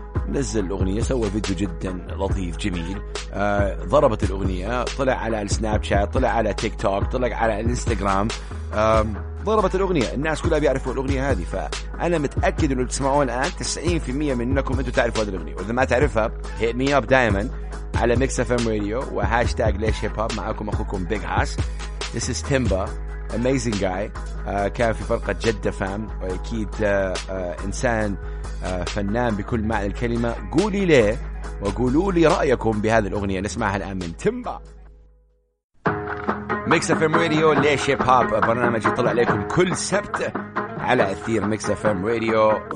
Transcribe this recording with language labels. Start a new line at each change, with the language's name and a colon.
Arabic: نزل الأغنية، سوى فيديو جدا لطيف جميل، ضربت الأغنية، طلع على السناب شات، طلع على تيك توك، طلع على الانستغرام، ضربت الأغنية، الناس كلها بيعرفوا الأغنية هذه. فأنا متأكد أنه تسمعوها الآن 90% منكم أنتوا تعرفوا هذه الأغنية، وإذا ما تعرفها
English: hit me up
Arabic: دائما على Mix FM Radio وهاشتاج ليش هيب هوب. معكم أخوكم Big Hass.
English: This is Timba, amazing guy.
Arabic: كان في فرقة جدة فام، وأكيد إنسان فنان بكل معنى الكلمة. قولي ليه وقولوا لي رأيكم بهذه الأغنية، نسمعها الآن من Timba. Mix FM Radio ليش هيب هوب، برنامج يطلع عليكم كل سبت على أثير Mix FM Radio.